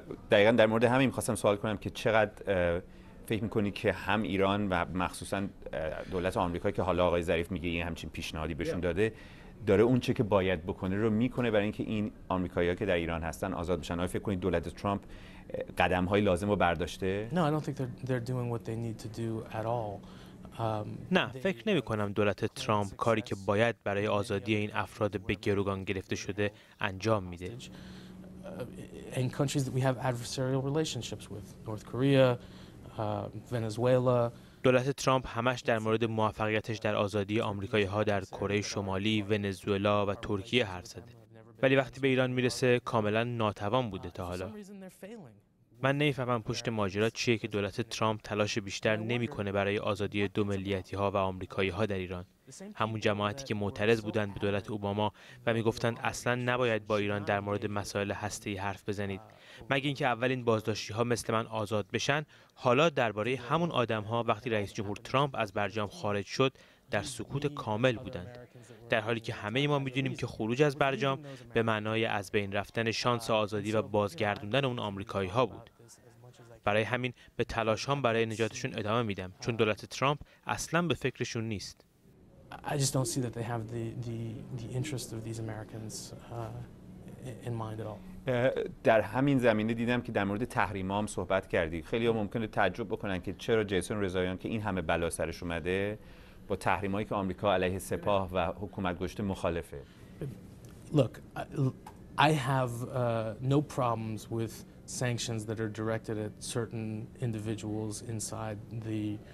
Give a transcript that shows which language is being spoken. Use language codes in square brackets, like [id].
[fa] دقیقا در مورد همین میخواستم سوال کنم که چقدر فکر میکنی که هم ایران و مخصوصا دولت آمریکا که حالا آقای ظریف میگه این همچین پیشنهادی بهشون داده، داره اون چه که باید بکنه رو میکنه برای اینکه این آمریکایی‌ها که در ایران هستن آزاد بشن؟ آیا فکر کنید دولت ترامپ قدم‌های لازم رو برداشته؟ [en] No, I don't think they're doing what they need to do at all. [fa] نه فکر نمی کنم دولت ترامپ کاری که باید برای آزادی این افراد به گروگان گرفته شده انجام میده. [en] In countries that we have adversarial relationships with, North Korea, Venezuela. [fa] دولت ترامپ همش در مورد موفقیتش در آزادی آمریکایی‌ها در کره شمالی، ونزوئلا و ترکیه حرف زده. ولی وقتی به ایران میرسه کاملا ناتوان بوده تا حالا. من نمی‌فهمم پشت ماجرا چیه که دولت ترامپ تلاش بیشتر نمی‌کنه برای آزادی دو ملیتی‌ها و آمریکایی‌ها در ایران. همون جماعتی که معترض بودند به دولت اوباما و میگفتند اصلا نباید با ایران در مورد مسائل هسته‌ای حرف بزنید، مگر اینکه اولین بازداشتی‌ها مثل من آزاد بشن، حالا درباره همون آدم‌ها وقتی رئیس جمهور ترامپ از برجام خارج شد در سکوت کامل بودند، در حالی که همه ما می‌دونیم که خروج از برجام به معنای از بین رفتن شانس آزادی و بازگردوندن اون آمریکایی‌ها بود. برای همین به تلاش‌هام برای نجاتشون ادامه میدم، چون دولت ترامپ اصلا به فکرشون نیست. [en] I just don't see that they have the interest of these Americans in mind at all. [fa] در همین زمینه دیدم که در مورد تحریم‌ها هم صحبت کردی. خیلی ها ممکنه تعجب بکنن که چرا جیسون رضایان که این همه بلا سرش اومده با تحریم‌هایی که آمریکا علیه سپاه و حکومت گشته مخالفه. [en] Look, I have no problems with sanctions that are directed at certain individuals inside the